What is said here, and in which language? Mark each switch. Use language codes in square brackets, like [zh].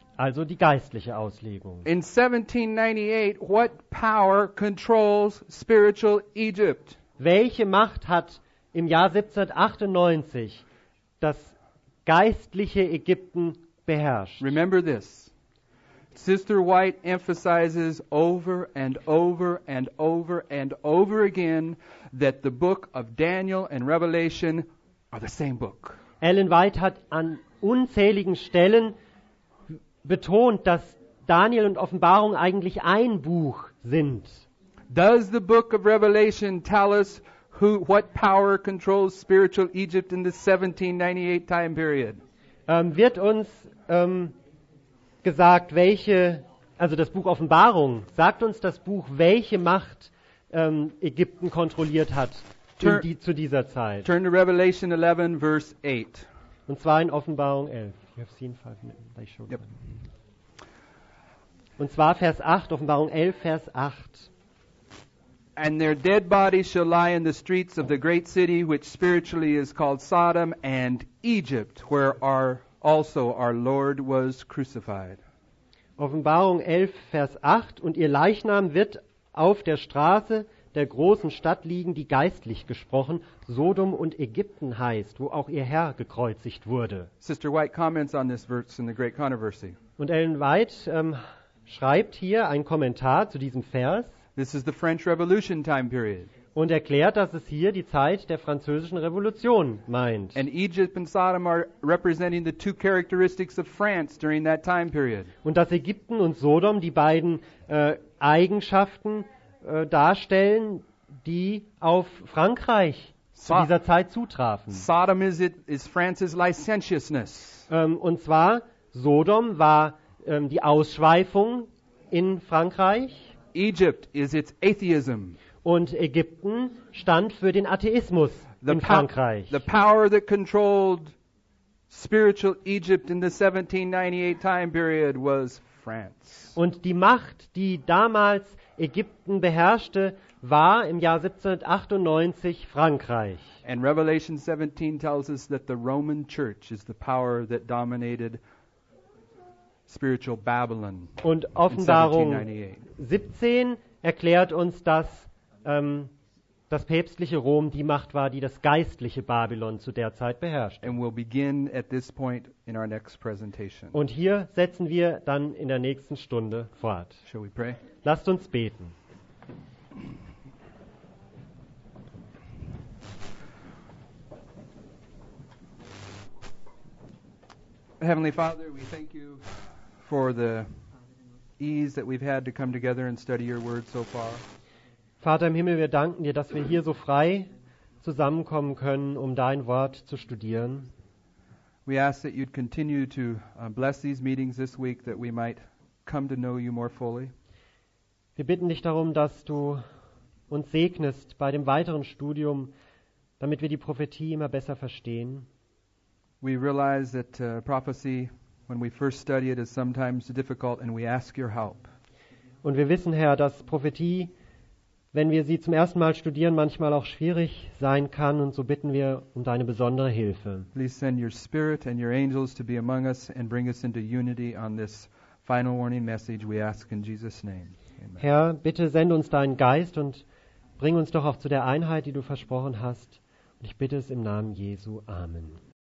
[de] Also die geistliche Auslegung. [en] In 1798, what power controls spiritual Egypt? [de] Welche Macht hat im Jahr 1798 das geistliche Ägypten beherrscht? [en] Remember this. Sister White emphasizes over and over and over and over again that the book of Daniel and Revelation are the same book. [de] Ellen White hat an unzähligen Stellen betont, dass Daniel und Offenbarung eigentlich ein Buch sind. [en] Does the book of Revelation tell us what power controls spiritual Egypt in the 1798 time period? [de] Wird uns gesagt, welche, also das Buch Offenbarung, sagt uns das Buch, welche Macht Ägypten kontrolliert hat zu dieser Zeit? [en] Turn to Revelation 11, verse 8. [de] Und zwar in Offenbarung 11. [en] You have seen 5 minutes. I showed them. [de] Und zwar Vers 8, Offenbarung 11, Vers 8. [en] And their dead bodies shall lie in the streets of the great city, which spiritually is called Sodom, and Egypt, where also our Lord was crucified. [de] Offenbarung 11, Vers 8. Und ihr Leichnam wird auf der Straße der großen Stadt liegen, die geistlich gesprochen Sodom und Ägypten heißt, wo auch ihr Herr gekreuzigt wurde. [en] Sister White comments on this verse in the Great Controversy. [de] Und Ellen White schreibt hier einen Kommentar zu diesem Vers. [en] This is the French Revolution time period. [de] Und erklärt, dass es hier die Zeit der französischen Revolution meint. [en] And Egypt and Sodom are representing the two characteristics of France during that time period. [de] Und dass Ägypten und Sodom die beiden Eigenschaften darstellen, die auf Frankreich zu dieser Zeit zutrafen. [en] Sodom is France's licentiousness. [de] Und zwar Sodom war die Ausschweifung in Frankreich. [en] Egypt is its atheism. [de] Und Ägypten stand für den Atheismus in Frankreich. [en] The power that controlled spiritual Egypt in the 1798 time period was France. [de] Und die Macht, die damals Ägypten beherrschte, war im Jahr 1798 Frankreich. [en] And Revelation 17 tells us that the Roman Church is the power that dominated spiritual Babylon. [de] Und Offenbarung 17 erklärt uns, dass das päpstliche Rom die Macht war, die das geistliche Babylon zu der Zeit beherrscht. [en] And we'll begin at this point in our next presentation. [de] Und hier setzen wir dann in der nächsten Stunde fort. [en] Shall we pray? [de] Lasst uns beten. [en] Heavenly Father, we thank you for the ease that we've had to come together and study your word so far. [de] Vater im Himmel, wir danken dir, dass wir hier so frei zusammenkommen können, um dein Wort zu studieren. [en] We ask that you'd continue to bless these meetings this week, that we might come to know you more fully. [de] Wir bitten dich darum, dass du uns segnest bei dem weiteren Studium, damit wir die Prophetie immer besser verstehen. [en] We realize that prophecy, when we first study it, is sometimes difficult, and we ask your help. [de] Und wir wissen, Herr, dass Prophetie, wenn wir sie zum ersten Mal studieren, manchmal auch schwierig sein kann, und so bitten wir um deine besondere Hilfe. [en] Please send your spirit and your angels to be among us and bring us into unity on this final warning message we ask in Jesus' name. Amen. [de] Herr, bitte send uns deinen Geist und bring uns doch auch zu der Einheit, die du versprochen hast. Und ich bitte es im Namen Jesu. Amen.